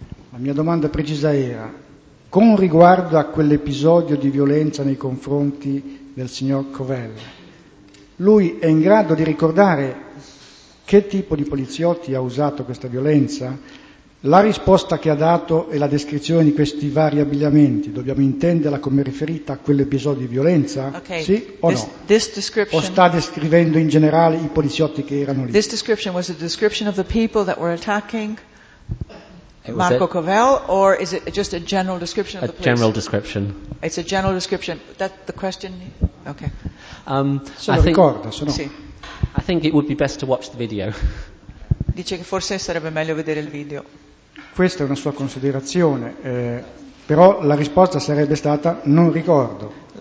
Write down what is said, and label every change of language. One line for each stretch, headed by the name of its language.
Italian: La mia domanda precisa era: con riguardo a quell'episodio di violenza nei confronti del signor Covell, lui è in grado di ricordare che tipo di poliziotti ha usato questa violenza? La risposta che ha dato e la descrizione di questi vari abbigliamenti, dobbiamo intenderla come riferita a quell'episodio di violenza?
English: Okay.
Italian: Sì o
English: this description,
Italian: o sta descrivendo in generale i poliziotti che erano lì?
English: This description was a description of the people that were attacking Marco Covell, or is it just a general description of the police? A general description. It's a general description. That the question? Okay. I think it would be best to watch the video.
Italian: Dice che forse sarebbe meglio vedere il video. Questa è una sua considerazione, però la risposta sarebbe stata non ricordo.